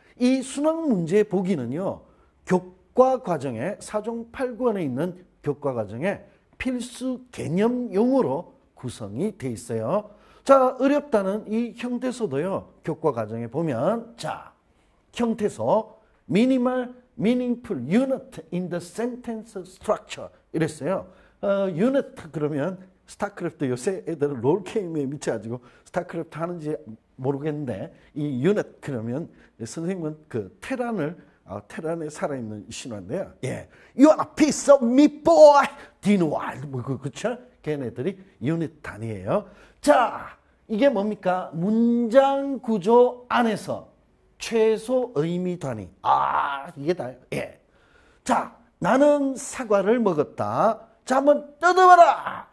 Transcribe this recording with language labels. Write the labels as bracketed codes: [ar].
[ko] 이 수능 문제의 보기는요, 교과 과정에, 4종 8권에 있는 교과 과정에 필수 개념 용어로 구성이 돼 있어요. 자, 어렵다는 이 형태소도요, 교과 과정에 보면, 자, 형태소. [en] Minimal, meaningful unit in the sentence structure. [ko] 이랬어요. Unit, 그러면, 스타크래프트 요새 애들은 롤게임에 미쳐가지고, 스타크래프트 하는지 모르겠는데, 이 unit, 그러면, 선생님은 그 테란을, 테란에 살아있는 신화인데요. 예. [en] You are a piece of meat, boy! [ko] 디누알. 뭐, 그쵸? 걔네들이 unit 단위예요. 자, 이게 뭡니까? 문장 구조 안에서. 최소 의미 단위. 아, 이게 다예. 자, 나는 사과를 먹었다. 자, 한번 뜯어봐라.